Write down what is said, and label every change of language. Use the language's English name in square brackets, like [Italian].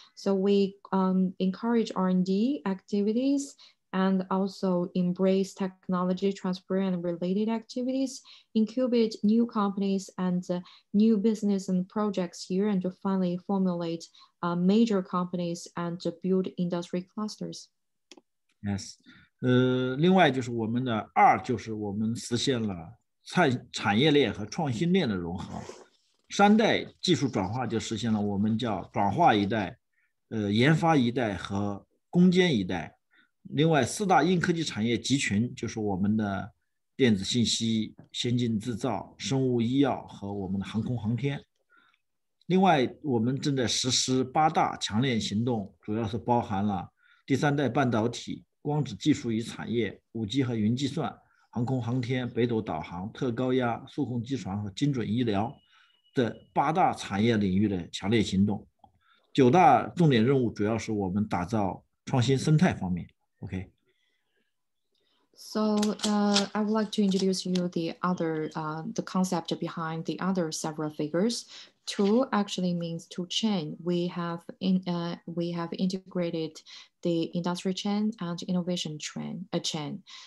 [English] So we encourage R&D activities and also embrace technology transfer and related activities, incubate new companies and new business and projects here, and to finally formulate major companies and to build industry clusters. Yes. [Chinese] 另外就是我们的二，就是我们实现了产业链和创新链的融合，三代技术转化就实现了我们叫转化一代、研发一代和攻坚一代。另外四大硬科技产业集群就是我们的电子信息、先进制造、生物医药和我们的航空航天。另外我们正在实施八大强链行动，主要是包含了第三代半导体、光子技术与产业、 5G 和云计算、航空航天、北斗导航、特高压、数控机床和精准医疗的八大产业领域的强烈行动。九大重点任务主要是我们打造创新生态方面。 [English] OK, so I would like to introduce you the other the concept behind the other several figures. Tu actually means to chain. We have integrated the industry chain and innovation chain.